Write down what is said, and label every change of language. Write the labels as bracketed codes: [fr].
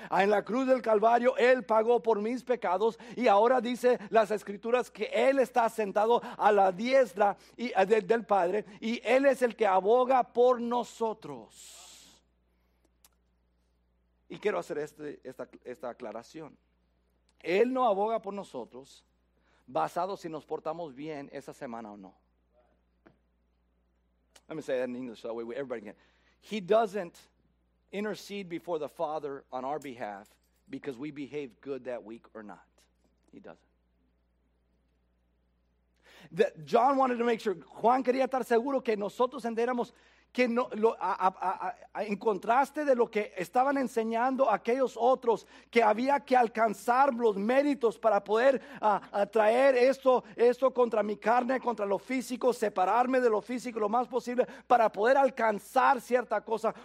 [es] En la cruz del Calvario, Él pagó por mis pecados. Y ahora dice las Escrituras que Él está sentado a la diestra del Padre. Y Él es el que aboga por nosotros. Y quiero hacer esta aclaración. Él no aboga por nosotros basado si nos portamos bien esa semana o no. [en] Let me say that in English, that way everybody can. He doesn't intercede before the Father on our behalf because we behaved good that week or not. He doesn't. John wanted to make sure. [es] Juan quería estar seguro que nosotros entendiéramos que no, en contraste de lo que estaban enseñando aquellos otros, que había que alcanzar los méritos para poder traer esto contra mi carne, contra lo físico, separarme de lo físico lo más posible para poder alcanzar cierta cosa.